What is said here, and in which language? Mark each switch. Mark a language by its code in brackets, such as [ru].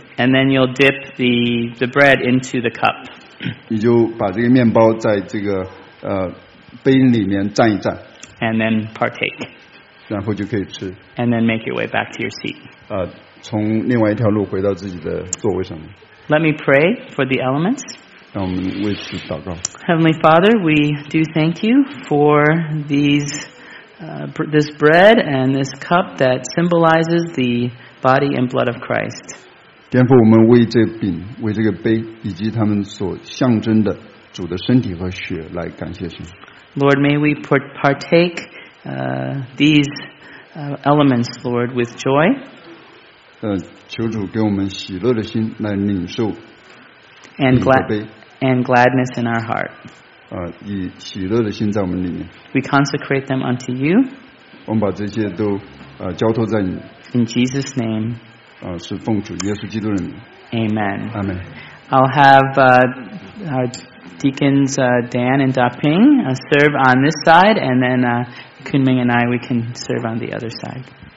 [en] And then you'll dip the bread into the cup. [zh] 你就把这个面包在这个杯里面蘸一蘸。 [en] And then partake. [zh] 然后就可以吃。 [en] And then make your way back to your seat. [zh] 从另外一条路回到自己的座位上。 [en] Let me pray for the elements. [zh] 让我们为此祷告。 [en] Heavenly Father, we do thank you for these. This bread and this cup that symbolizes the body and blood of Christ. [zh] 颠覆我们为这饼、为这个杯以及他们所象征的主的身体和血来感谢神。 [en] Lord, may we partake these elements, Lord, with joy. [zh] 求主给我们喜乐的心来领受 [en] and gladness in our heart. [zh] 以喜乐的心在我们里面。 [en] We consecrate them unto you. [zh] 我们把这些都交托在你。 [en] In Jesus' name. [zh] 是奉主耶稣基督的名。 [en] Amen. Amen. I'll have our deacons Dan and Da Ping serve on this side, and then Kunming and I we can serve on the other side.